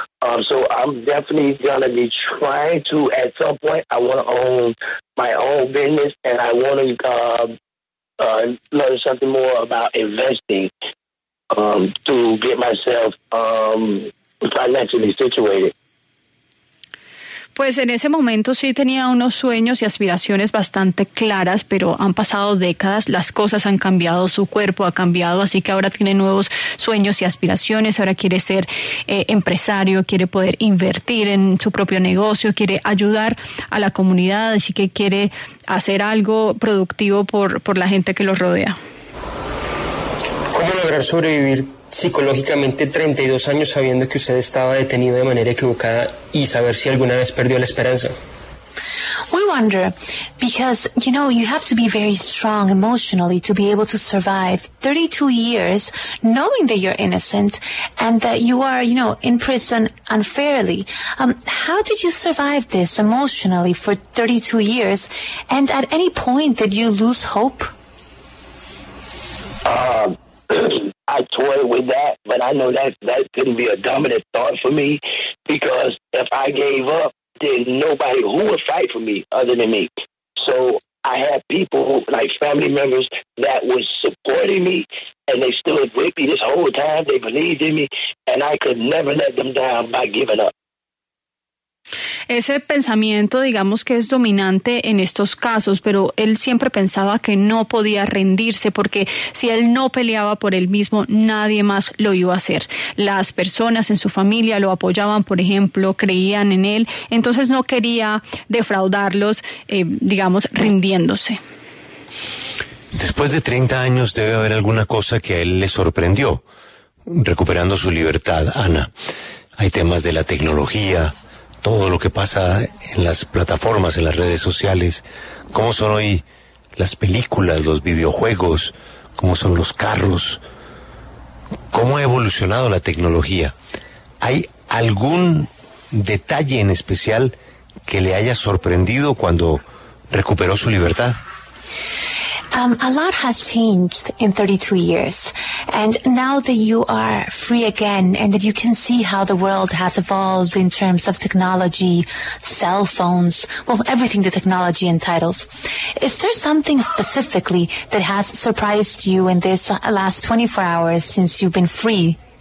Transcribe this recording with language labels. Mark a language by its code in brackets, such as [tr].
[en] So I'm definitely going to be trying to, at some point, I want to own my own business, and I want to learn something more about investing to get myself financially situated. [es] Pues en ese momento sí tenía unos sueños y aspiraciones bastante claras, pero han pasado décadas, las cosas han cambiado, su cuerpo ha cambiado, así que ahora tiene nuevos sueños y aspiraciones, ahora quiere ser empresario, quiere poder invertir en su propio negocio, quiere ayudar a la comunidad, así que quiere hacer algo productivo por la gente que lo rodea. ¿Cómo lograr sobrevivir psicológicamente 32 años sabiendo que usted estaba detenido de manera equivocada y saber si alguna vez perdió la esperanza? [en] We wonder, because, you know, you have to be very strong emotionally to be able to survive 32 years knowing that you're innocent and that you are, you know, in prison unfairly. How did you survive this emotionally for 32 years? And at any point did you lose hope? I toyed with that, but I know that couldn't be a dominant thought for me, because if I gave up, then nobody, who would fight for me other than me? So I had people, who, like family members, that was supporting me, and they stood with me this whole time. They believed in me, and I could never let them down by giving up. [es] Ese pensamiento, digamos que es dominante en estos casos, pero él siempre pensaba que no podía rendirse porque si él no peleaba por él mismo, nadie más lo iba a hacer. Las personas en su familia lo apoyaban, por ejemplo, creían en él, entonces no quería defraudarlos, digamos, rindiéndose. Después de 30 años debe haber alguna cosa que a él le sorprendió, recuperando su libertad, Ana. Hay temas de la tecnología, todo lo que pasa en las plataformas, en las redes sociales, cómo son hoy las películas, los videojuegos, cómo son los carros, cómo ha evolucionado la tecnología. ¿Hay algún detalle en especial que le haya sorprendido cuando recuperó su libertad? [en] A lot has changed in 32 years. And now that you are free again and that you can see how the world has evolved in terms of technology, cell phones, well, everything the technology entitles, is there something specifically that has surprised you in this last 24 hours since you've been free?